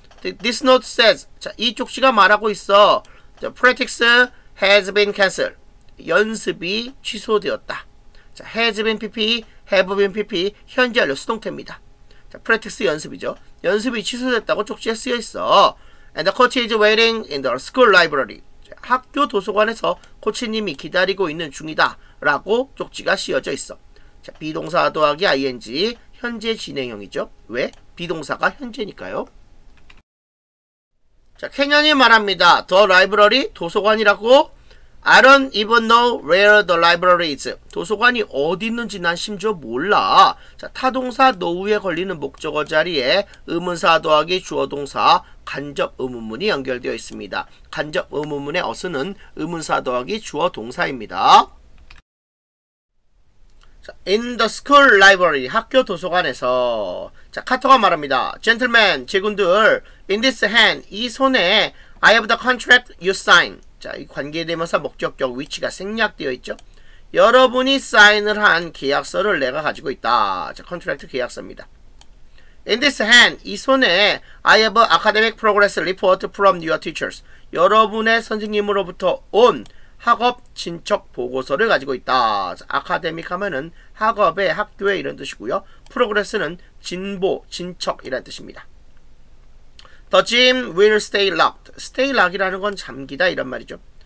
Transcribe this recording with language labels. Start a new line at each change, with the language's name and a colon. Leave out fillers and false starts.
English: This note says.
Korean: 자, 이 쪽지가 말하고 있어.
English: The practice has been cancelled.
Korean: 연습이 취소되었다. 자, has been PP, have been PP, 현재 완료 수동태입니다. 자, practice 연습이죠. 연습이 취소됐다고 쪽지에 쓰여 있어.
English: And the coach is waiting in the school library.
Korean: 자, 학교 도서관에서 코치님이 기다리고 있는 중이다. 라고 쪽지가 씌어져 있어. 자, 비동사 더하기 ing. 현재 진행형이죠. 왜? 비동사가 현재니까요. 자, 캐년이 말합니다. The library, 도서관이라고.
English: I don't even know where the library is.
Korean: 도서관이 어디 있는지 난 심지어 몰라. 자, 타동사 know에 걸리는 목적어 자리에 의문사 더하기 주어동사 간접 의문문이 연결되어 있습니다. 간접 의문문의 어순은 의문사 더하기 주어동사입니다.
English: In the school library,
Korean: 학교 도서관에서. 자, 카터가 말합니다.
English: Gentlemen, 직원들, in this hand,
Korean: 이 손에
English: I have the contract you sign.
Korean: 자, 이 관계대명사 목적격 위치가 생략되어 있죠. 여러분이 사인을 한 계약서를 내가 가지고 있다. 자, contract 계약서입니다.
English: In this hand,
Korean: 이 손에
English: I have academic progress report from your teachers.
Korean: 여러분의 선생님으로부터 온 학업 진척 보고서를 가지고 있다. 자, 아카데믹 하면은 학업의 학교의 이런 뜻이고요. 프로그레스는 진보, 진척이라는 뜻입니다.
English: The gym will stay locked. Stay locked
Korean: 이라는 건 잠기다 이런 말이죠.